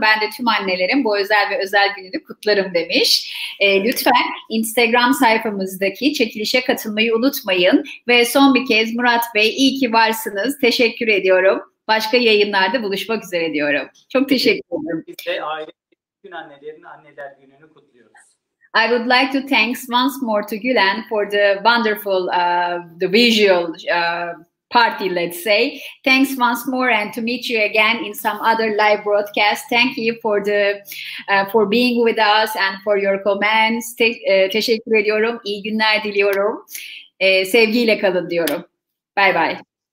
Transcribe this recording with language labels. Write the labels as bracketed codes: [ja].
[tr] Ben de tüm annelerin bu özel ve özel gününü kutlarım demiş. Lütfen Instagram sayfamızdaki çekilişe katılmayı unutmayın. Ve son bir kez Murat Bey, iyi ki varsınız. Teşekkür ediyorum. Başka yayınlarda buluşmak üzere diyorum. Çok teşekkür ederim. Biz de aile tüm annelerin anneler gününü kutluyoruz. [en] I would like to thanks once more to Gülen for the wonderful, the visual party, let's say. Thanks once more and to meet you again in some other live broadcast. Thank you for the for being with us and for your comments. [tr] Teşekkür ediyorum. İyi günler diliyorum. Sevgiyle kalın diyorum. Bye bye.